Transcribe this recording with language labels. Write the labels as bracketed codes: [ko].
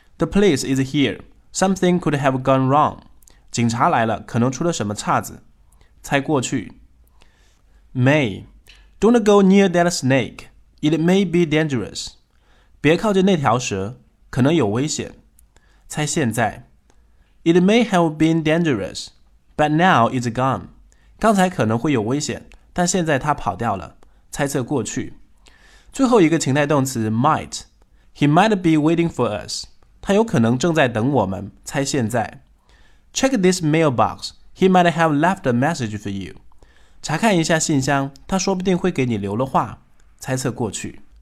[en] The police is here. Something could have gone wrong. [zh] 警察来了，可能出了什么岔子，猜过去。 [en] May. Don't go near that snake. It may be dangerous. [zh] 别靠近那条蛇，可能有危险，猜现在。 [en] It may have been dangerous, but now it's gone. [zh] 刚才可能会有危险，但现在它跑掉了，猜测过去。最后一个情态动词 might， [en] He might be waiting for us， [zh] 他有可能正在等我们，猜现在。 [en] Check this mailbox， He might have left a message for you， [zh] 查看一下信箱，他说不定会给你留了话，猜测过去。